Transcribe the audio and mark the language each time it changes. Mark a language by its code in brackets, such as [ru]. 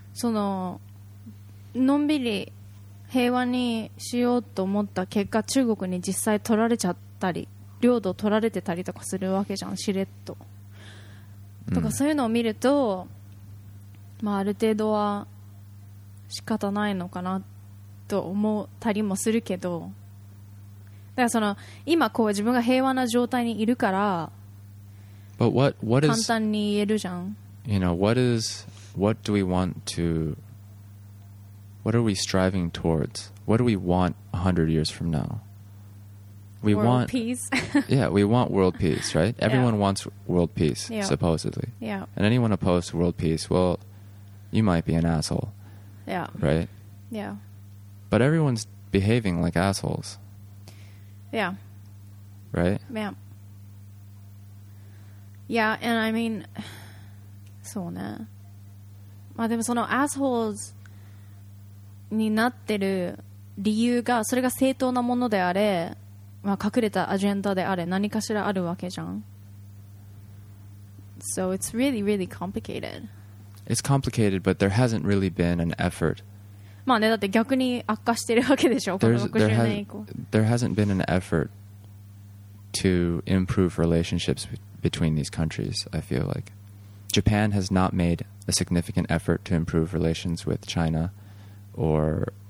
[ja] そののんびり平和にしようと思った結果中国に実際取られちゃったり領土取られてたりとかするわけじゃん、しれっと、とかそういうのを見るとまあある程度は仕方ないのかなと思ったりもするけど、だからその今こう自分が平和な状態にいるから、 [en] But what is [ja] 簡単に言えるじゃん。 [en] You know what is what do we want to what are we striving towards? What do we want 100 years from now? We world want peace. Yeah, we want world peace, right? Everyone yeah. wants world peace, yeah. supposedly. Yeah. And anyone opposed to world peace, well. You might be an asshole. Yeah. Right? Yeah. But everyone's behaving like assholes. Yeah. Right? Yeah. Yeah, and I mean... [ja] そうね。まあでもその assholes になってる理由が、それが正当なものであれ、まあ隠れたアジェンダであれ、何かしらあるわけじゃん。 [en] So it's really, really complicated. It's complicated, but there hasn't really been an effort. [ja] まあね、だって逆に悪化してるわけでしょ、この60年以降。 [en] There hasn't been an effort to improve relationships between these countries, I feel like. Japan has not made a significant effort to improve relations with China or